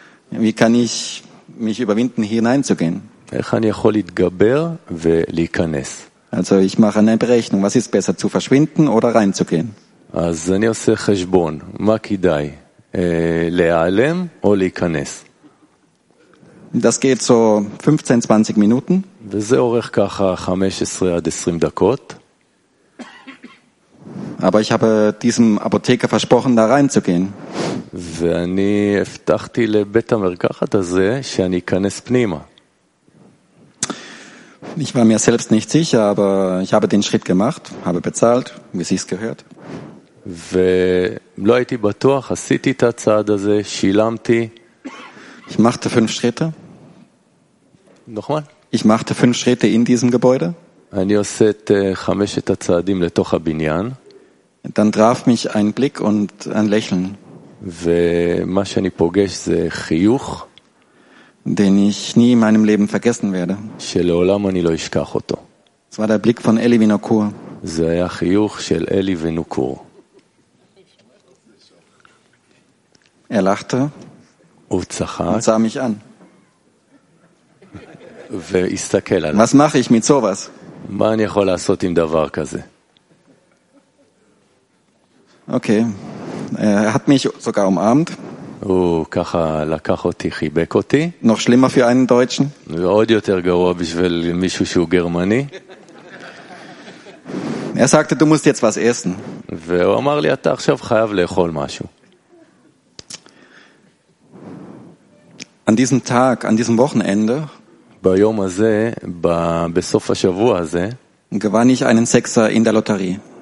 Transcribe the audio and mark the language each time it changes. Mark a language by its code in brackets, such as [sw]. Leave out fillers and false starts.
[de] Wie kann ich mich überwinden, hier hineinzugehen? [he] איך אני יכול להתגבר ולהיכנס? [de] Also ich mache eine Berechnung, was ist besser, zu verschwinden oder reinzugehen? [he] אז אני עושה חשבון, מה כדאי, להיעלם או להיכנס? [de] Das geht so 15-20 Minuten. [he] וזה אורך ככה 15 עד 20 דקות. [de] Aber ich habe diesem Apotheker versprochen, da reinzugehen. [he] ואני הבטחתי לבית המרקחת הזה שאני אכנס פנימה. [de] Ich war mir selbst nicht sicher, aber ich habe den Schritt gemacht, habe bezahlt, wie es sich gehört. [he] ולא הייתי בטוח, עשיתי את הצעד הזה, שילמתי. [de] Ich machte 5 Schritte. Nochmal? Ich machte 5 Schritte in diesem Gebäude. [he] אני עושה את חמשת הצעדים לתוך הבניין. [de] Dann traf mich ein Blick und ein Lächeln. [he] ומה שאני פוגש זה חיוך. [de] Den ich nie in meinem Leben vergessen werde. [he] שלעולם אני לא אשכח אותו. [de] Es war der Blick von Eli Vinokur. [he] זה היה חיוך של אלי ונוקור. [de] Er lachte. [he] הוא צחק. [de] Und sah mich an. [he] והסתכל עליי. [de] Was mache ich mit sowas? [he] מה אני יכול לעשות עם דבר כזה? [en] Okay. [de] Er hat mich sogar umarmt. [he] הוא ככה לקח אותי, חיבק אותי. [de] Noch schlimmer für einen Deutschen. [he] ועוד יותר גרוע בשביל מישהו שהוא גרמני. [de] Er sagte, du musst jetzt was essen. [he] והוא אמר לי, אתה עכשיו חייב לאכול משהו. [de] An diesem Tag, an diesem Wochenende, [he] ביום הזה, בסוף השבוע הזה, [de] gewann ich einen Sechser in der Lotterie.